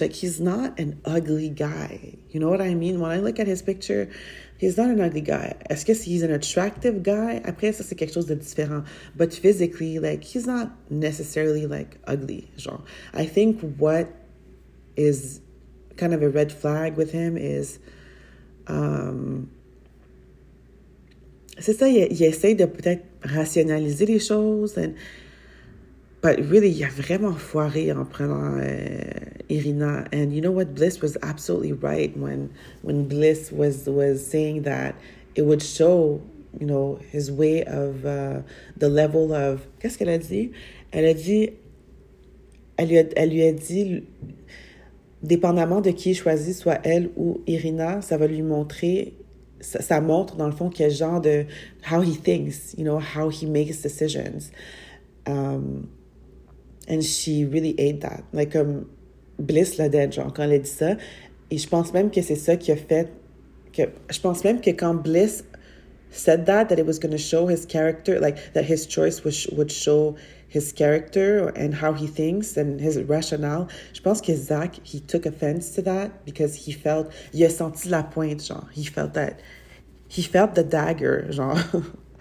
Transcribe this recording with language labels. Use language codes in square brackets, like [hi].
[en] Like, he's not an ugly guy, you know what I mean? When I look at his picture, he's not an ugly guy. [fr] Est-ce que [en] he's an attractive guy? [fr] Après, ça, c'est quelque chose de différent. [en] But physically, like, he's not necessarily, like, ugly, genre. I think what is kind of a red flag with him is... [fr] c'est ça, il essaie de peut-être rationaliser les choses. [en] And, but really, [fr] il a vraiment foiré en prenant Irina. [en] And you know what? Bliss was absolutely right when Bliss was saying that it would show, you know, his way of the level of... [fr] Qu'est-ce qu'elle a dit? Elle a dit... Elle lui a dit... Dépendamment de qui il choisit, soit elle ou Irina, ça va lui montrer... Ça montre, dans le fond, quel genre de... [en] How he thinks, you know, how he makes decisions. And she really ate that. [fr] Like, Bliss l'a dit, genre, quand elle a dit ça. Et je pense même que c'est ça qui a fait... Que, je pense même que quand [en] Bliss said that, that it was going to show his character, like, that his choice would show his character and how he thinks and his rationale. [fr] Je pense que [en] Zach, he took offense to that because he felt... [fr] Il a senti la pointe, genre. [en] He felt that... He felt the dagger, genre...